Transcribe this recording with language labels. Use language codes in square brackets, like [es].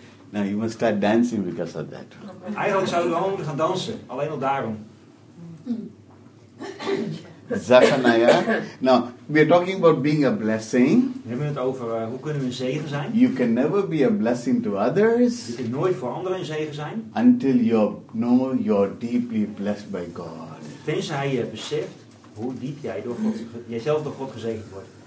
[en] Now, you must start dancing because of that. [nl] Eigenlijk zouden we allemaal moeten gaan dansen, alleen al daarom. [en] Zephaniah. Now, we are talking about being a blessing. [nl] We hebben het over hoe kunnen we een zegen zijn. [en] You can never be a blessing to others. [nl] Je kunt nooit voor anderen een zegen zijn. [en] Until you know you're deeply blessed by God. [nl] Tenzij je beseft hoe diep jij door God, jijzelf door God gezegend wordt.